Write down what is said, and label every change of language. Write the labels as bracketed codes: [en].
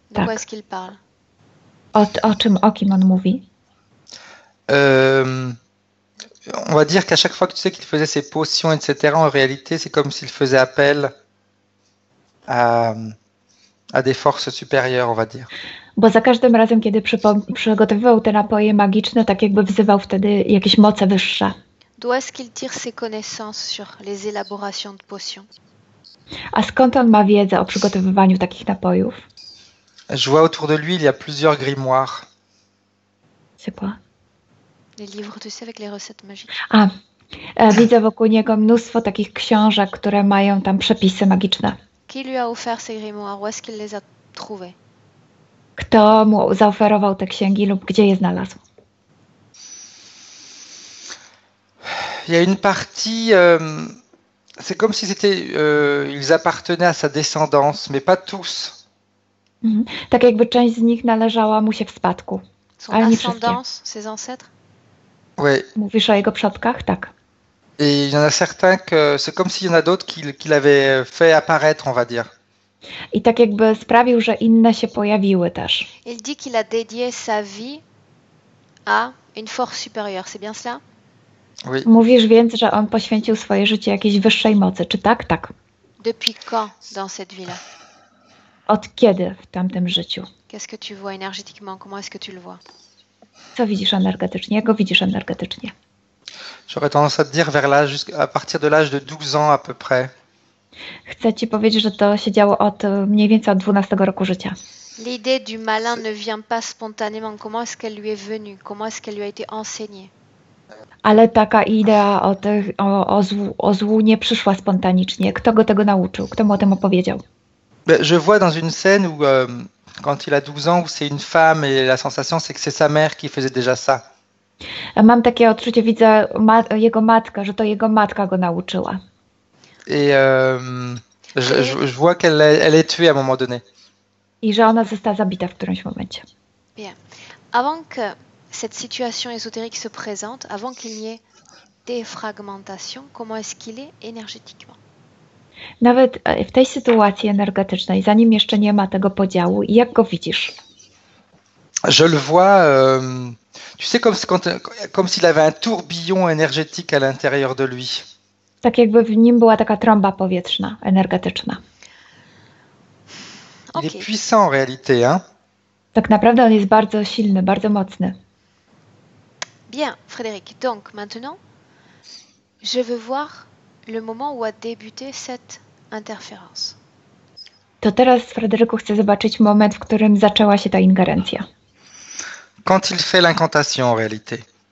[pl] Tak. [fr] Où est-ce qu'il parle? [pl] O kim on mówi? [fr] On va dire qu'à chaque fois que tu sais qu'il faisait ses potions, etc., en réalité, c'est comme s'il faisait appel à des forces supérieures, on va dire. [pl] Bo za każdym razem, kiedy przygotowywał te napoje magiczne, tak jakby wzywał wtedy jakieś moce wyższe. [fr] D'où est-ce qu'il tire ses connaissances sur les élaborations de potions? [pl] A skąd on ma wiedzę o przygotowywaniu takich napojów? [fr] Je vois autour de lui, il y a plusieurs grimoires. C'est quoi? Les livres, tu sais, avec les recettes magiques. [pl] Ah, widzę wokół niego mnóstwo takich książek, które mają tam przepisy magiczne. [fr] Qui lui a offert ces grimoires? Où est-ce qu'il les a trouvés? [pl] Kto mu zaoferował te księgi lub gdzie je znalazł? [fr] Il y a une partie, c'est comme si c'était, ils appartenaient à sa descendance, mais pas tous. Mm-hmm. [pl] Tak jakby część z nich należała mu się w spadku. [fr] Son [pl] ale nie [fr] ascendance, ses ancêtres? Oui. [pl] Mówisz o jego przodkach? Tak. [fr] Et il y en a certains que c'est comme s'il y en a d'autres qu'il avait fait apparaître, on va dire. [pl] I tak jakby sprawił, że inne się pojawiły też. [fr] Il dit qu'il a dédié sa vie à une force supérieure, c'est bien cela? Oui. [pl] Mówisz więc, że on poświęcił swoje życie jakiejś wyższej mocy, czy tak? Tak. [fr] Depuis quand dans cette vie-là? [pl] Od kiedy w tamtym życiu? [fr] Qu'est-ce que tu vois énergétiquement? Comment est-ce que tu le vois? [pl] Co widzisz energetycznie? Jak go widzisz energetycznie? [fr] J'aurais tendance à te dire vers l'âge, à partir de l'âge de 12 ans à peu près. [pl] Chcę ci powiedzieć, że to się działo od mniej więcej od 12 roku życia. [fr] L'idée du malin ne vient pas spontanément. Comment est-ce qu'elle lui est venue? Comment est-ce qu'elle lui a été enseignée? [pl] Ale taka idea o złu nie przyszła spontanicznie. Kto go tego nauczył? Kto mu o tym opowiedział? [fr] Je vois dans une scène où quand il a 12 ans, c'est une femme et la sensation c'est que c'est sa mère qui faisait déjà ça. [pl] Mam takie odczucie, widzę jego matka, że to jego matka go nauczyła. [fr] Et je vois qu'elle est tuée à un moment donné. [pl] I że ona została zabita w którymś momencie. [fr] Bien. Avant que cette situation ésotérique se présente, avant qu'il y ait défragmentation, comment est-ce qu'il est énergétiquement? [pl] Nawet w tej sytuacji energetycznej, zanim jeszcze nie ma tego podziału, jak go widzisz? [fr] Je le vois, tu sais, comme s'il avait un tourbillon énergétique à l'intérieur de lui. [pl] Tak jakby w nim była taka trąba powietrzna, energetyczna. [fr] Il est puissant en réalité, hein? [pl] Tak naprawdę on jest bardzo silny, bardzo mocny. [fr] Bien, Frédéric, donc maintenant, je veux voir le moment où a débuté cette interférence. [pl] To teraz, Frédéricu, chcę zobaczyć moment, w którym zaczęła się ta ingerencja. [fr] Quand il fait l'incantation, en réalité.